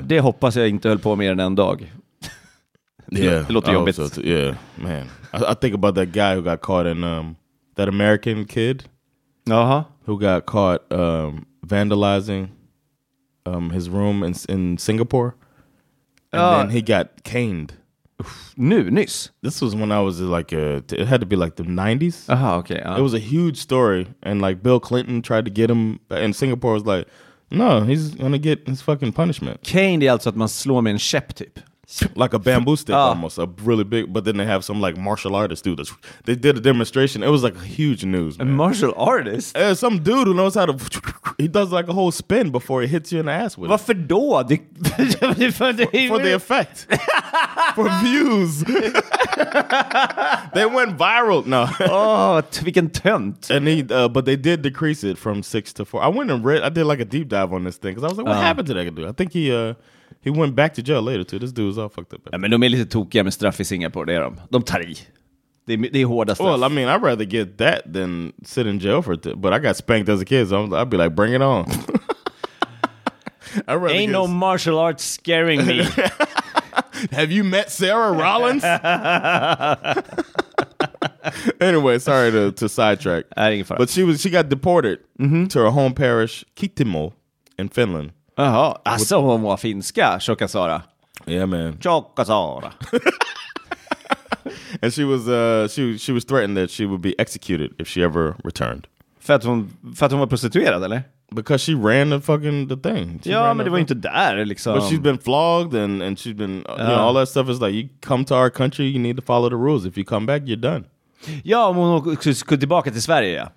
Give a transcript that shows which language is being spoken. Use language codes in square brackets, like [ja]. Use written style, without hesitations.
[sv] Det hoppas jag inte höll på mer än en dag. det låter jobbigt. Also, [en] yeah, man. I think about that guy who got caught in... that American kid. Uh-huh. Who got caught vandalizing... his room in Singapore, and then he got caned. [sv] Nyss. [en] This was when I was like, it had to be like the 90s. Uh-huh, okay. It was a huge story, and like Bill Clinton tried to get him, and Singapore was like, no, he's gonna get his fucking punishment. [sv] Caned, alltså att man slår med en käpp typ. [en] Like a bamboo stick almost, a really big, but then they have some like martial artist do this. They did a demonstration. It was like huge news, man. A martial artist? Yeah, some dude who knows how to, he does like a whole spin before he hits you in the ass with [sv] Varför [en] it. [sv] Varför då? [en] For the effect. For views. They went viral. No. [sv] Oh, vilken tönt. [en] And he, but they did decrease it from 6 to 4. I went and read, I did like a deep dive on this thing, because I was like, what happened to that dude? I think he went back to jail later too. This dude was all fucked up. [sv] Ja, men de är lite tokiga med straff i Singapore, det är de. De tar i. Det är hårda straff. [en] Well, I mean, I'd rather get that than sit in jail for it. But I got spanked as a kid, so I'd be like, bring it on. Ain't no martial arts scaring me. Have you met Sarah Rollins? Anyway, sorry to sidetrack. I didn't get But she was she got deported mm-hmm. to her home parish, Kitimo, in Finland. [sv] Jaha, alltså hon var finska, Tjocka Sara. [en] Yeah, man. Tjocka Sara. And she was threatened that she would be executed if she ever returned. [sv] För att hon var prostituerad, eller? [en] Because she ran the fucking the thing. She [sv] ja, men det var thing. Inte där liksom. [en] But she's been flogged and she's been, you know, all that stuff is like, you come to our country, you need to follow the rules. If you come back, you're done. [sv] Ja, om hon skulle tillbaka till Sverige, ja.